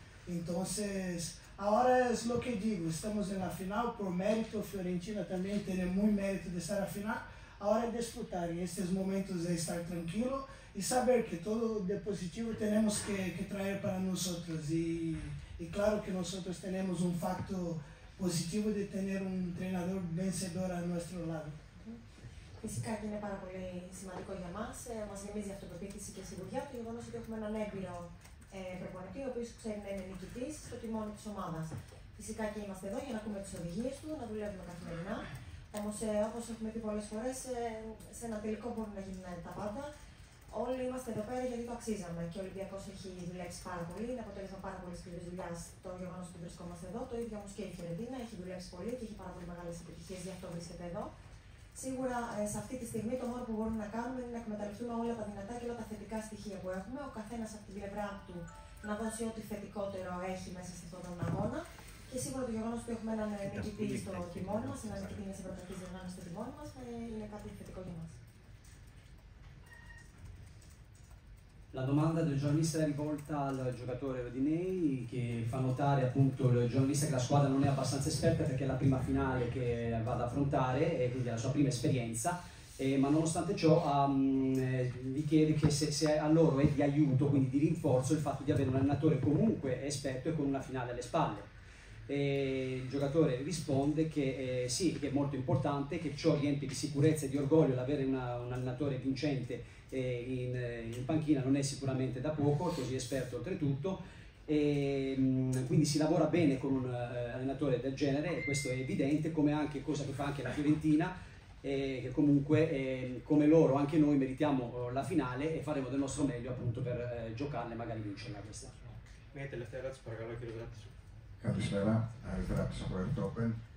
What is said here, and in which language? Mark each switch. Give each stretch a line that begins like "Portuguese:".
Spanish: Entonces, ahora es lo que digo, estamos en la final por mérito, Fiorentina también tiene muy mérito de estar a final. Ahora es disfrutar y estos momentos de estar tranquilo y saber que todo de positivo tenemos que traer para nosotros. Y claro que nosotros tenemos un factor positivo de tener un entrenador vencedor a nuestro lado.
Greek: Φυσικά και είναι πάρα πολύ σημαντικό για μας. Μας γεμίζει αυτοπεποίθηση και σιγουριά το γεγονός ότι έχουμε έναν έμπειρο προπονητή, ο οποίος ξέρει να είναι νικητής στο τιμόνι της ομάδας. Φυσικά και είμαστε εδώ για να ακούμε τις οδηγίες του, να δουλεύουμε καθημερινά. Όμως, όπως έχουμε πει πολλές φορές, σε ένα τελικό μπορούν να γίνουν τα πάντα. Όλοι είμαστε εδώ πέρα γιατί το αξίζαμε και ο Ολυμπιακός έχει δουλέψει πάρα πολύ. Είναι αποτέλεσμα πάρα πολύ σκληρή δουλειά το γεγονός ότι βρισκόμαστε εδώ. Το ίδιο όμως και η Φιωρεντίνα έχει δουλέψει πολύ και έχει πάρα πολύ μεγάλες επιτυχίες, γι' αυτό βρίσκεται εδώ. Σίγουρα σε αυτή τη στιγμή το μόνο που μπορούμε να κάνουμε είναι να εκμεταλλευτούμε όλα τα δυνατά και όλα τα θετικά στοιχεία που έχουμε. Ο καθένας από την πλευρά του να δώσει ό,τι θετικότερο έχει μέσα σε αυτόν τον αγώνα. Και σίγουρα το γεγονός ότι έχουμε έναν νικητή στο τιμόνι μας, έναν νικητή μιας ευρωπαϊκής διοργάνωσης στο τιμόνι μας, είναι κάτι θετικό για μας.
Italian: La domanda del giornalista è rivolta al giocatore Rodinei, che fa notare appunto il giornalista che la squadra non è abbastanza esperta perché è la prima finale che va ad affrontare e quindi è la sua prima esperienza, ma nonostante ciò vi chiede che se a loro è di aiuto, quindi di rinforzo, il fatto di avere un allenatore comunque esperto e con una finale alle spalle. E il giocatore risponde che sì, che è molto importante, che ciò riempie di sicurezza e di orgoglio l'avere un allenatore vincente in panchina, non è sicuramente da poco, così esperto oltretutto, e quindi si lavora bene con un allenatore del genere, e questo è evidente, come anche cosa che fa anche la Fiorentina, che comunque come loro anche noi meritiamo la finale e faremo del nostro meglio appunto per giocarla e magari vincerla questa.
Greek: Καλησπέρα, καλησπέρα από το Project Open.